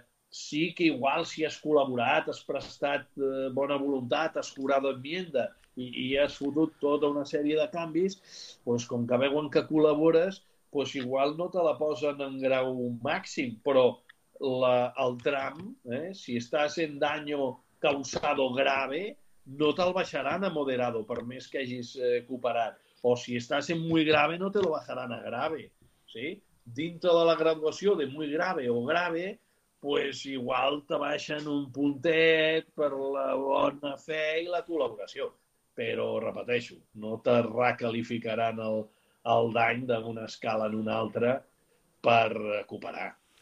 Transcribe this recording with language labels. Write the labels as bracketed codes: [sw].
[ca] Sí que igual si has col·laborat, has prestat bona voluntat, has curat enmienda i has fotut tota una sèrie de canvis, doncs com que veuen que col·labores, doncs igual no te la posen en grau màxim, però el tram, si estàs en [es] daño causado grave, [ca] no te'l baixaran a [es] moderado, [ca] per més que hagis cooperat. [es] O si estàs en muy grave, no te lo bajarán a grave. [ca] Sí? Dintre de la graduació de [es] muy grave [ca] o grave, pues igual te baixen un puntet per la bona fe i la col·laboració. Però, repeteixo, no te recalificaran el dany d'una escala en una altra per cooperar.